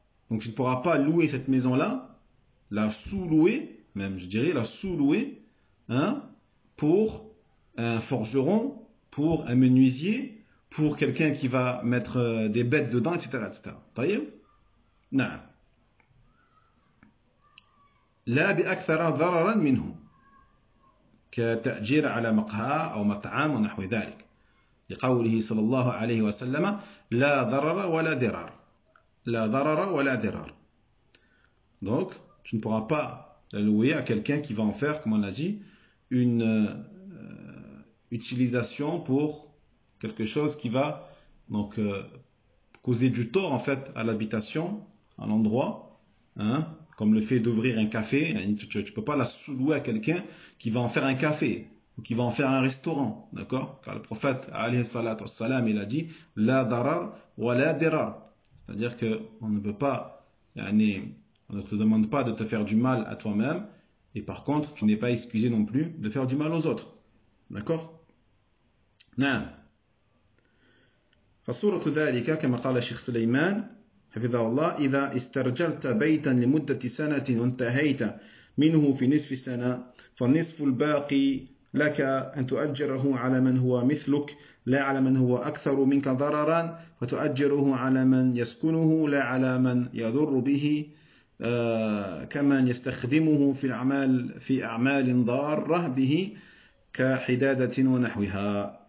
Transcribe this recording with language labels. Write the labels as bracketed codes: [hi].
[fr] Donc, tu ne pourras pas louer cette maison-là, la sous-louer, même, je dirais, la sous-louer, hein, pour un forgeron, pour un menuisier, pour quelqu'un qui va mettre des bêtes dedans, etc. etc. Taïeb? Non. [ar] لا بأكثر ضررا منه كتأجير على مقهى أو مطعم ونحو ذلك لقوله صلى الله عليه وسلم لا ضرر ولا ضرار لا ضرر ولا ضرار. [fr] Donc tu ne pourras pas la louer à quelqu'un qui va en faire, comme on a dit, une utilisation pour quelque chose qui va donc causer du tort en fait à l'habitation, à l'endroit, hein, comme le fait d'ouvrir un café. Tu ne peux pas la sous-louer à quelqu'un qui va en faire un café ou qui va en faire un restaurant, d'accord? Car le prophète, alayhi salatu wassalam, il a dit « [ar] la darar wa la dirar [fr] », c'est-à-dire qu'on ne peut pas yani, On ne te demande pas de te faire du mal à toi-même, et par contre, tu n'es pas excusé non plus de faire du mal aux autres. D'accord? Naam. [ar] فصورة ذلك كما قال الشيخ سليمان حفظه الله إذا استرجلت بيتا لمدة سنة وانتهيت منه في نصف سنة فالنصف الباقي لك أن تؤجره على من هو مثلك لا على من هو أكثر منك ضررا فتؤجره على من يسكنه لا على من يضر به كمن يستخدمه في أعمال ضارة به كحدادة ونحوها.